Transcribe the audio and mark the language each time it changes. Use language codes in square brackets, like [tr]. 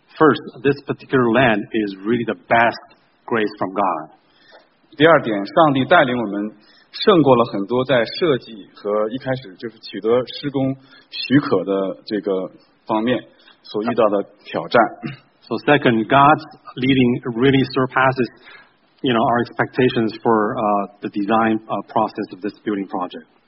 [en] First, this particular land is really the best grace from God. [zh] 第二点，上帝带领我们胜过了很多在设计和一开始就是取得施工许可的这个方面所遇到的挑战。 [en] So second, God's leading really surpasses, you know, our expectations for the design process of this building project.